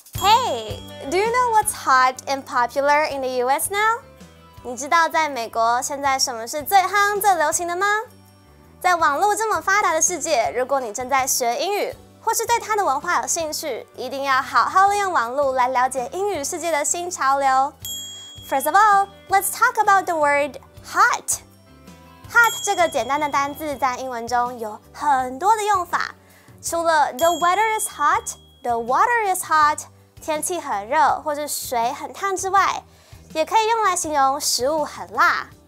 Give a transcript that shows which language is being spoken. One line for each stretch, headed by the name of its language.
English: Hey, do you know what's hot and popular in the US now?
Chinese: 你知道在美国现在什么是最夯最流行的吗？在网络这么发达的世界，如果你正在学英语，或是对它的文化有兴趣，一定要好好利用网络来了解英语世界的新潮流。
English: First of all, let's talk about the word hot.
Chinese: Hot 这个简单的单字在英文中有很多的用法，除了
English: the weather is hot,
Chinese: the water is hot, 天气很热或是水很烫之外，也可以用来形容食物很辣。